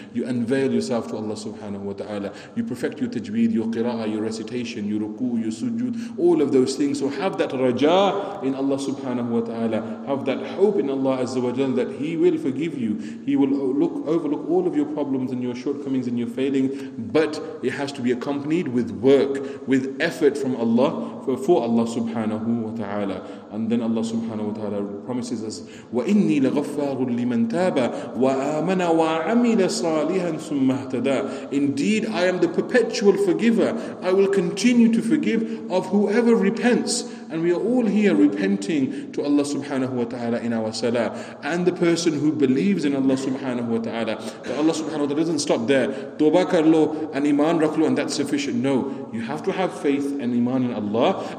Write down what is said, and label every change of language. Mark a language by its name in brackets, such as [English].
[English] You unveil yourself to Allah subhanahu wa ta'ala. You perfect your tajweed, your qira'ah, your recitation, your ruku, your sujood, all of those things. So have that raja in Allah subhanahu wa ta'ala, have that hope in Allah azza wa jal that He will forgive you, He will overlook all of your problems and your shortcomings and your failings, but it has to be accompanied with work, with effort from Allah, for Allah subhanahu wa ta'ala. And then Allah subhanahu wa ta'ala promises us, [Arabic] وَإِنِّي لَغَفَّارٌ لِّمَن تَابَ وَآمَنَ وَعَمِلَ صَالِحًا ثُمَّ اهْتَدَى. [English] Indeed, I am the perpetual forgiver. I will continue to forgive of whoever repents. And we are all here repenting to Allah subhanahu wa ta'ala in our salah. And the person who believes in Allah subhanahu wa ta'ala. But Allah subhanahu wa ta'ala doesn't stop there. [Urdu] Tawbah karlo [English] and [Urdu] iman raklo [English] and that's sufficient. No, you have to have faith and iman in Allah.